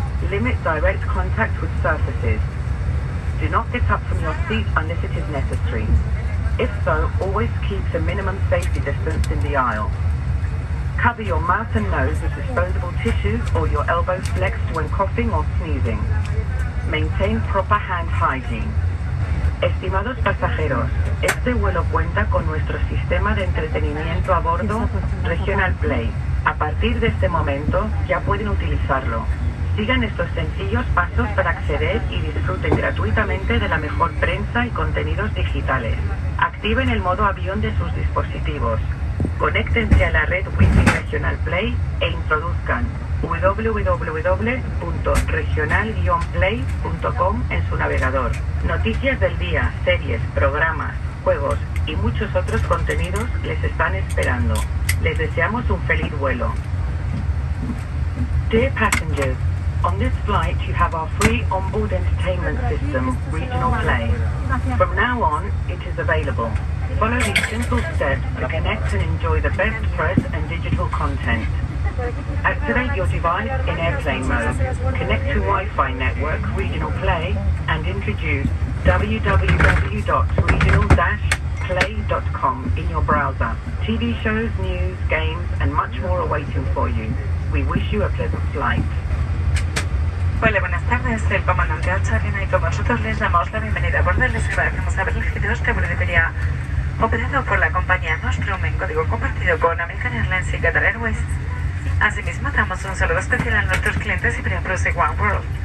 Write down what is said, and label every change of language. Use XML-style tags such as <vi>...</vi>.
<en>Limit direct contact with surfaces. Do not get up from your seat unless it is necessary. If so, always keep the minimum safety distance in the aisle. Cover your mouth and nose with disposable tissue or your elbows flexed when coughing or sneezing. Maintain proper hand hygiene.</en> <es>Estimados pasajeros, este vuelo cuenta con nuestro sistema de entretenimiento a bordo, Regional Play. A partir de este momento, ya pueden utilizarlo. Sigan estos sencillos pasos para acceder y disfruten gratuitamente de la mejor prensa y contenidos digitales. Activen el modo avión de sus dispositivos. Conéctense a la red Wi-Fi Regional Play e introduzcan www.regional-play.com en su navegador. Noticias del día, series, programas, juegos y muchos otros contenidos les están esperando. Les deseamos un feliz vuelo.</es> <en>Dear passengers, on this flight you have our free onboard entertainment system, Regional Play. From now on, it is available. Follow these simple steps to connect and enjoy the best press and digital content. Activate your device in airplane mode. Connect to Wi-Fi network Regional Play and introduce www.regional-play.com in your browser. TV shows, news, games, and much more are waiting for you. We wish you a pleasant flight.</en> <es>Hola, buenas tardes. El comandante Alcharina y con vosotros les damos la bienvenida a bordo. Les agradecemos haber elegido este vuelo de feria operado por la compañía Nostrum en código compartido con American Airlines y Qatar Airways. Asimismo, damos un saludo especial a nuestros clientes y miembros de One World.</es>